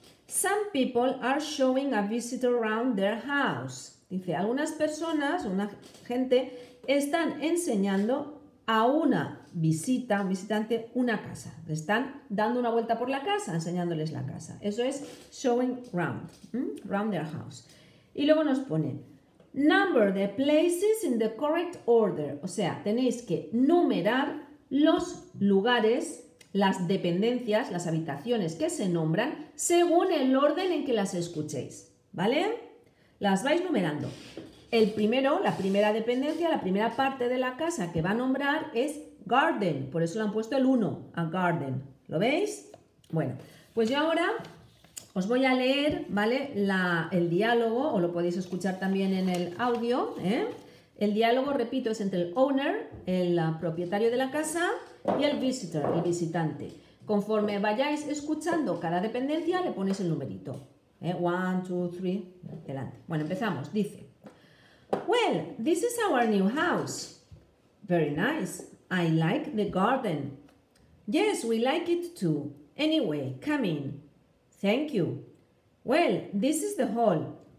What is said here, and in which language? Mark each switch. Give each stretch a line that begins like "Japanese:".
English: Some people are showing a visitor around their house.
Spanish: Dice, algunas personas, una gente, están enseñando a una visita, un visitante, una casa. Le están dando una vuelta por la casa, enseñándoles la casa. Eso es
English: showing round, round their house.
Spanish: Y luego nos pone,
English: number the places in the correct order.
Spanish: O sea, tenéis que numerar los lugares, las dependencias, las habitaciones que se nombran según el orden en que las escuchéis, ¿vale? Las vais numerando. El primero, la primera dependencia, la primera parte de la casa que va a nombrar es garden, por eso le han puesto el 1, a garden, ¿lo veis? Bueno, pues yo ahora os voy a leer, ¿vale? El diálogo, o lo podéis escuchar también en el audio, El diálogo, repito, es entre el owner, el propietario de la casa, y el visitor, el visitante. Conforme vayáis escuchando cada dependencia, le ponéis el numerito. 1, 2, 3, adelante. Bueno, empezamos. Dice,
English: well, this is our new house. Very nice. I like the garden. Yes, we like it too. Anyway, come in. Thank you. Well, this is the hall.